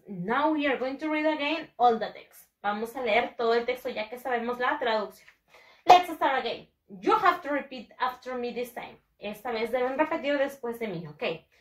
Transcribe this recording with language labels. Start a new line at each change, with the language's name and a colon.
English: Now we are going to read again all the text.
Spanish: Vamos a leer todo el texto ya que sabemos la traducción.
English: Let's start again. You have to repeat after me this time.
Spanish: Esta vez deben repetir después de mí, ¿ok?